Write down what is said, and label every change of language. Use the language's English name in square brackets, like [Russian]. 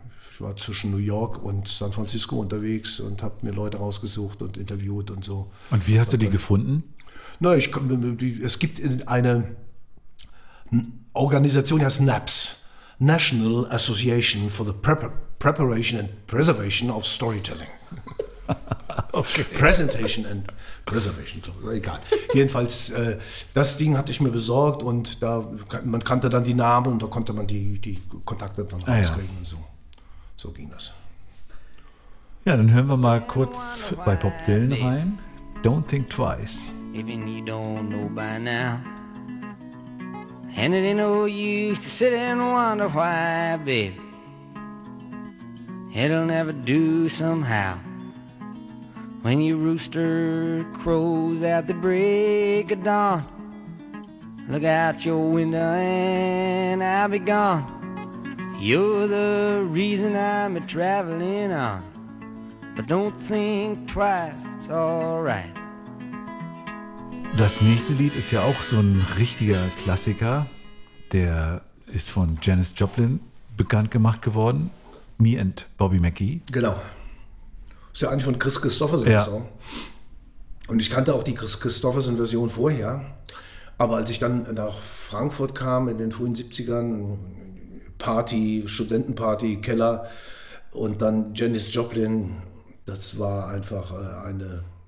[German] Ich war zwischen New York und San Francisco unterwegs und habe mir Leute rausgesucht und interviewt und so. Und wie hast du die gefunden? Es gibt eine Organisation, die heißt NAPS, National Association for the Preparation and Preservation of Storytelling. Okay. Presentation and Preservation, egal. Jedenfalls, das Ding hatte ich mir besorgt und da man kannte dann die Namen und da konnte man die Kontakte dann rauskriegen und so. So ging das. Ja, dann hören wir mal kurz bei Bob Dylan rein. [English] Don't think twice. Even you don't know by now. And it ain't no use to sit and wonder why, baby. It'll never do somehow. When your rooster crows at the break of dawn, look out your window and I'll be gone. You're the reason I'm a-traveling on, but don't think twice, it's all right. [German] Das nächste Lied ist ja auch so ein richtiger Klassiker. Der ist von Janis Joplin bekannt gemacht geworden. Me and Bobby McGee. Genau. Ist ja eigentlich von Kris Kristofferson. Ja. Und ich kannte auch die Kris Kristofferson-Version vorher. Aber als ich dann nach Frankfurt kam in den frühen 70ern, Party, Studentenparty, Keller und dann Janis Joplin, das war einfach eine